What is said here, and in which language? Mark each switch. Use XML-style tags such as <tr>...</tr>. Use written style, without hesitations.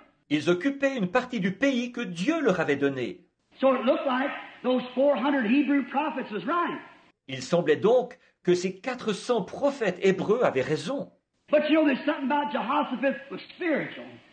<fr>Ils occupaient une partie du pays que Dieu leur avait donné.</fr> <en>So it looked like those 400 Hebrew prophets was right.</en> <fr>Il semblait donc que ces 400 prophètes hébreux avaient raison.</fr> <en>But you know, there's something about Jehoshaphat was spiritual.</en>